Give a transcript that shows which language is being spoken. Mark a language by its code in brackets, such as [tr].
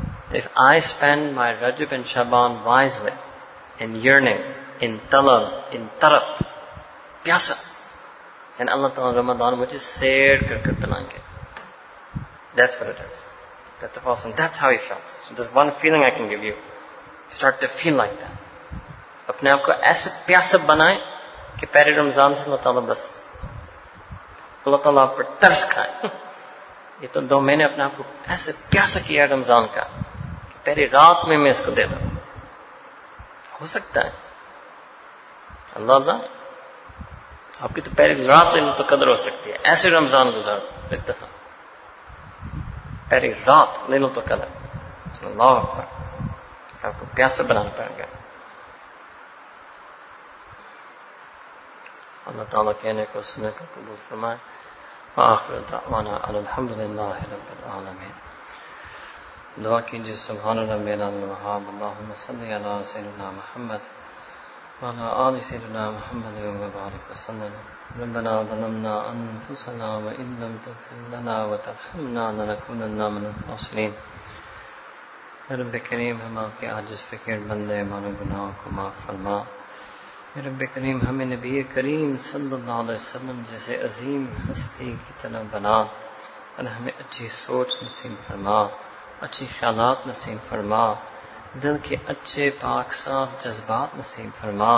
[en] If I spend my Rajab and Shaban wisely, in yearning, in talab, in tarab, piyasa, then Allah Ta'ala Ramadan, which is [ur] seer kar kar banange. [en] That's what it is. That's the Prophet, that's how he felt. So there's one feeling I can give you. Start to feel like that. [ur] اپنے آپ کو ایسے پیاسے بنائیں کہ پہلے رمضان سے اللہ تعالیٰ بس اللہ تعالیٰ آپ پر ترس کھائے. یہ تو دو مہینے اپنے آپ کو ایسے پیاسا کیا رمضان کا کہ پہلی رات میں اس کو دے دوں. ہو سکتا ہے اللہ تعالیٰ آپ کی تو پہلی رات میں تو قدر ہو سکتی ہے, ایسے رمضان گزار اس دفعہ پہلی رات لینو تو قدر اللہ اکبر آپ کو پیاسا بنانا پڑے گا. اللہ تعالیٰ کہنے کو سننے کو قبول فرمائے. [ar] وآخر دعوانا ان الحمد للہ رب العالمین. [ur] دعا کیجیے [ar] سبحان ربنا الوهاب اللهم صل علی سيدنا محمد وعلى آل سيدنا محمد وبارك وسلم. ربنا ظلمنا انفسنا وان لم تغفر لنا وترحمنا لنكونن من الخاسرین. [ur] رب کریم ہم آپ کے عاجز فقیر بندے مانو گناہوں کو معاف فرما. رب کریم ہمیں نبی کریم صلی اللہ علیہ وسلم جیسے عظیم ہستی کی طرح بنا اور ہمیں اچھی سوچ نصیب فرما, اچھی خیالات نصیب فرما, دل کے اچھے پاک صاف جذبات نصیب فرما.